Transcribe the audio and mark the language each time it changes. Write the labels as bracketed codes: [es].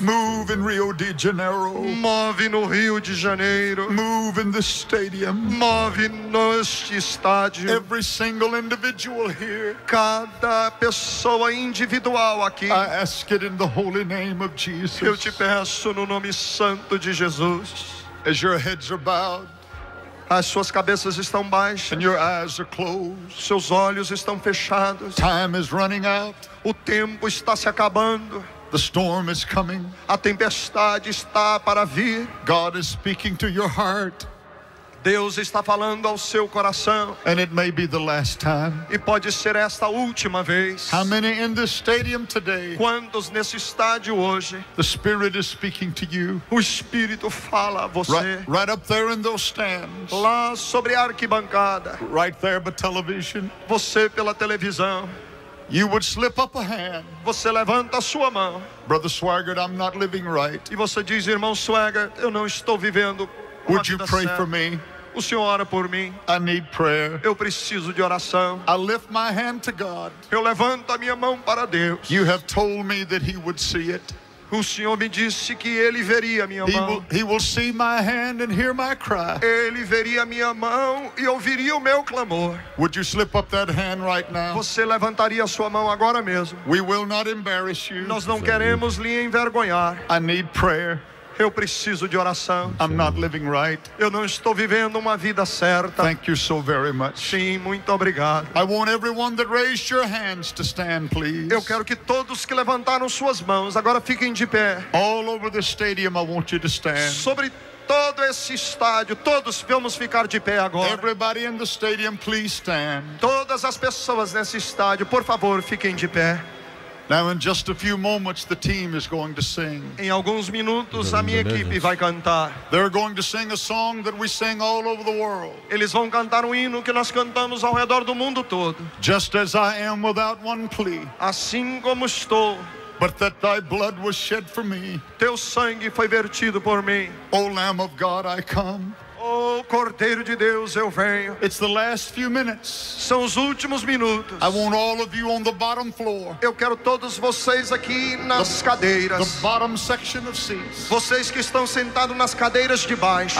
[en] Move in Rio de Janeiro. [pt] Move no Rio de Janeiro. [en] Move in this stadium. [pt] Move neste estádio. [en] Every single individual here. [pt] Cada pessoa individual aqui. [en] I ask it in the holy name of Jesus. [pt] Eu te peço no nome santo de Jesus. [en] As your heads are bowed. [pt] As suas cabeças estão baixas. [en] And your eyes are closed. [pt] Seus olhos estão fechados. [en] Time is running out. [pt] O tempo está se acabando. [en] The storm is coming. [pt] A tempestade está para vir. [en] God is speaking to your heart. [pt] Deus está falando ao seu coração. [en] And it may be the last time. [pt] E pode ser esta última vez. [en] How many in this stadium today? [pt] Quantos nesse estádio hoje? [en] The Spirit is speaking to you. [pt] O Espírito fala a você. [en] Right up there in those stands. [pt] Lá sobre a arquibancada. [en] Right there by television. [pt] Você pela televisão. [en] You would slip up a hand. [pt] Você levanta a sua mão. [en] Brother Swaggart, I'm not living right. [pt] E você diz, irmão Swaggart, eu não estou vivendo. [en] Would you pray for me? [pt] O Senhor ora por mim. [en] I need prayer. [pt] Eu preciso de oração. [en] I lift my hand to God. [pt] Eu levanto a minha mão para Deus. [en] You have told me that He would see it. [pt] O Senhor me disse que Ele veria a minha mão. [en] He will see my hand and hear my cry. [pt] Ele veria a minha mão e ouviria o meu clamor. [en] Would you slip up that hand right now? [pt] Você levantaria a sua mão agora mesmo? [en] We will not embarrass you. [pt] Nós não queremos lhe envergonhar. [en] I need prayer. [pt] Eu preciso de oração. [en] I'm not living right. [pt] Eu não estou vivendo uma vida certa. [en] Thank you so very much. [pt] Sim, muito obrigado. [en] I want everyone that raised your hands to stand, please. [pt] Eu quero que todos que levantaram suas mãos agora fiquem de pé. [en] All over the stadium, I want you to stand. [pt] Sobre todo esse estádio, todos vamos ficar de pé agora. [en] Everybody in the stadium, please stand. [pt] Todas as pessoas nesse estádio, por favor, fiquem de pé. [en] Now in just a few moments the team is going to sing. [pt] Em alguns minutos a minha equipe vai cantar. [en] They're going to sing a song that we sing all over the world. [pt] Eles vão cantar um hino que nós cantamos ao redor do mundo todo. [en] Just as I am without one plea. [pt] Assim como estou. [en] But that thy blood was shed for me. [pt] Teu sangue foi vertido por mim. [en] O Lamb of God, I come. [pt] Oh, Cordeiro de Deus, eu venho. [en] It's the last few minutes. [pt] São os últimos minutos. [en] I want all of you on the bottom floor. [pt] Eu quero todos vocês aqui nas cadeiras. [en] The bottom section of seats. [pt] Vocês que estão sentados nas cadeiras de baixo.